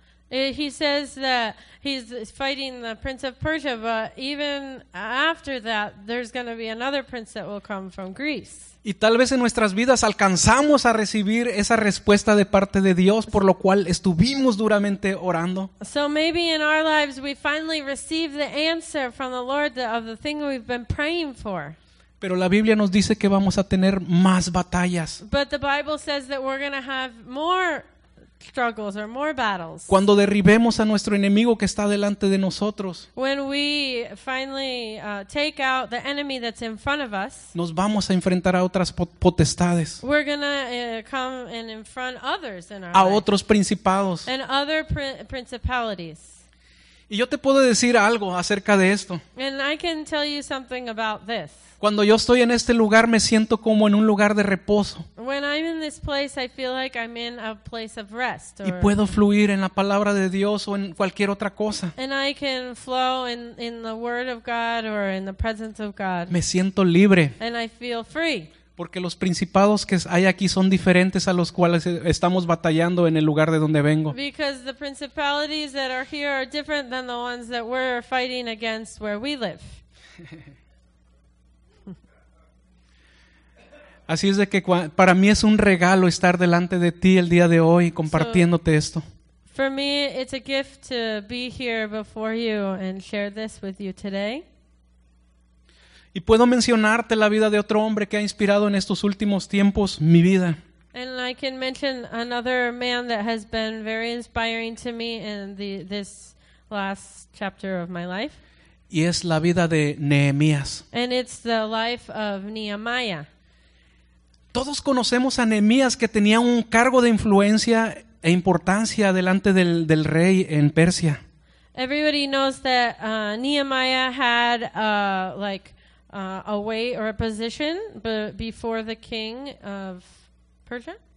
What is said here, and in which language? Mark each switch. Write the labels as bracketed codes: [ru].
[en] He says that he's fighting the prince of Persia, but even after that, there's going to be another prince that will come from Greece. [es] Y tal vez en nuestras vidas alcanzamos a recibir esa respuesta de parte de Dios, por lo cual estuvimos duramente orando. [en] So maybe in our lives we finally receive the answer from the Lord of the thing we've been praying for. [es] Pero la Biblia nos dice que vamos a tener más batallas. [en] But the Bible says that we're going to have more struggles or more battles. [es] Cuando derribemos a nuestro enemigo que está delante de nosotros. [en] When we finally take out the enemy that's in front of us. [es] Nos vamos a enfrentar a otras potestades. [en] We're going to come and in front others in our [es] a otros principados. [en] And other principalities. [es] Y yo te puedo decir algo acerca de esto. [en] And I can tell you something about this. [es] Cuando yo estoy en este lugar me siento como en un lugar de reposo. [en] When I'm in this place I feel like I'm in a place of rest. [es] Y puedo fluir en la palabra de Dios o en cualquier otra cosa. [en] And I can flow in the word of God or in the presence of God. [es] Me siento libre. [en] And I feel free. [es] Porque los principados que hay aquí son diferentes a los cuales estamos batallando en el lugar de donde vengo. [en] Because the principalities that are here are different than the ones that we're fighting against where we live. [es] Así es de que para mí es un regalo estar delante de ti el día de hoy compartiéndote esto. [en] For me it's a gift to be here before you and share this with you today. [es] Y puedo mencionarte la vida de otro hombre que ha inspirado en estos últimos tiempos mi vida. [en] And I can mention another man that has been very inspiring to me in this last chapter of my life. [es] Y es la vida de Nehemías. [en] And it's the life of Nehemiah. [es] Todos conocemos a Nehemías que tenía un cargo de influencia e importancia delante del rey en Persia. [en] Everybody knows that Nehemiah had a way or a position before the king of Persia.